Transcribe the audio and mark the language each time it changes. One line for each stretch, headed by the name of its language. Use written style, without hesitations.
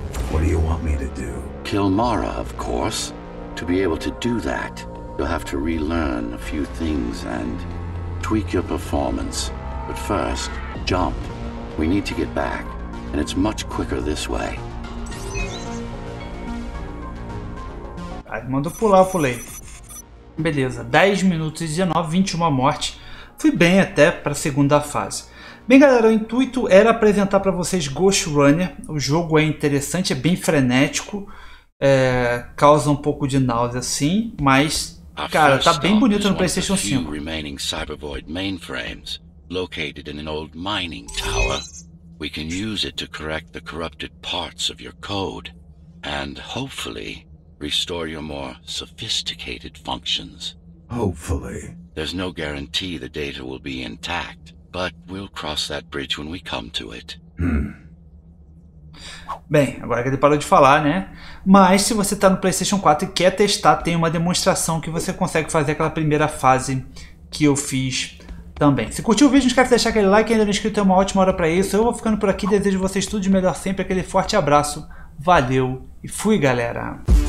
English: What do you want me to do? Kill Mara, of course. To be able to do that, you'll have to relearn a few things and tweak your performance. But first, jump. We need to get back, and it's much quicker this way.
Portuguese: Aí mandou pular, eu pulei. Beleza, 10 minutos e 19, 21 mortes. Fui bem até para a segunda fase. Bem, galera, o intuito era apresentar para vocês Ghost Runner. O jogo é interessante, é bem frenético. É, causa um pouco de náusea, sim. Mas, cara, tá bem bonito no PlayStation 5.
English: Remaining Cybervoid mainframes, located in an old mining tower. We can use it to correct the corrupted parts of your code. And hopefully restore your more sophisticated functions. Hopefully. There's no guarantee the data will be intact, but we'll cross that bridge when we come to it.
Portuguese: Bem, agora que ele parou de falar, né? Mas se você está no PlayStation 4 e quer testar, tem uma demonstração que você consegue fazer aquela primeira fase que eu fiz também. Se curtiu o vídeo, não esquece de deixar aquele like, ainda não é inscrito, é uma ótima hora para isso. Eu vou ficando por aqui, desejo vocês tudo de melhor sempre, aquele forte abraço. Valeu e fui, galera!